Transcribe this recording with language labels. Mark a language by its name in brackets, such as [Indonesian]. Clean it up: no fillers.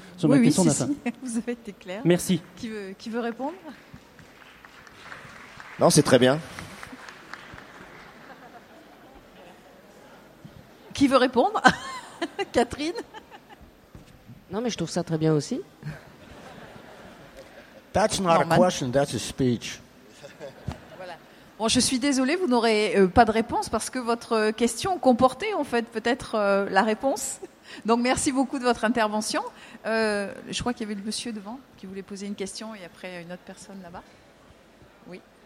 [French] Oui, oui, si, si. Vous avez été clair. Merci. Qui veut répondre ? Non, c'est très bien. Qui veut répondre ? Catherine ? Non, mais je trouve ça très bien aussi. [English] That's not Norman. A question, that's a speech. [French] Bon, je suis désolée, vous n'aurez pas de réponse parce que votre question comportait en fait peut-être la réponse. Donc merci beaucoup de votre intervention. Je crois qu'il y avait le monsieur devant qui voulait poser une question et après une autre personne là-bas. Oui.